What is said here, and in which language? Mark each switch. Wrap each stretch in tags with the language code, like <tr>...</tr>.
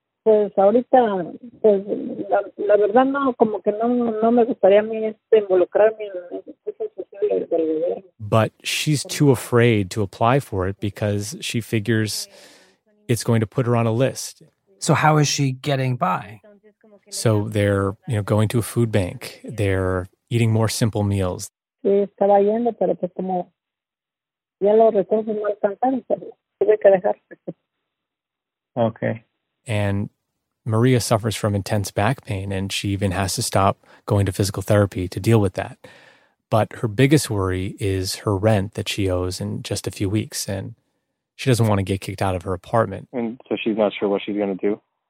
<es>Pues ahorita, pues la verdad no, como que no me gustaría a mí involucrarme en esas cuestiones del gobierno.</es> <en>But she's too afraid to apply for it because she figures it's going to put her on a list. So how is she getting by? So they're, you know, going to a food bank. They're eating more simple meals.</en> <es>Sí, estaba yendo, pero pues como ya los recursos no alcanzan, tuve que dejar.</es> <en>Okay. And Maria suffers from intense back pain, and she even has to stop going to physical therapy to deal with that. But her biggest worry is her rent that she owes in just a few weeks, and she doesn't want to get kicked out of her apartment. And so she's not sure what she's going to do?</en>